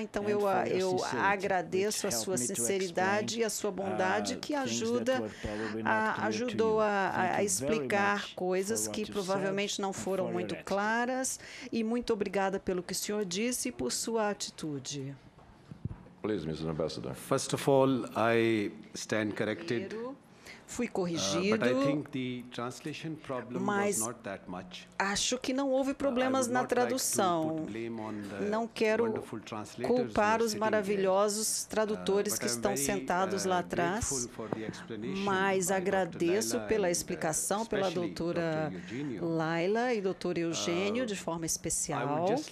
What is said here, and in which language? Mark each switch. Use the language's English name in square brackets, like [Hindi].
[Portuguese] Então, eu agradeço a sua sinceridade e a sua bondade, que ajudou a explicar coisas que provavelmente não foram muito claras. E muito obrigada pelo que o senhor disse e por sua atitude. [English] Please, Mr. Ambassador. First of all, I stand corrected. [Portuguese] Fui corrigido, [English] but I think the translation problem [Portuguese] mas [English] was not that much. [Portuguese] Acho que não houve problemas na tradução. Não quero culpar os maravilhosos tradutores que estão sentados lá atrás, mas agradeço pela explicação pela doutora Laila e doutor Eugênio de forma especial.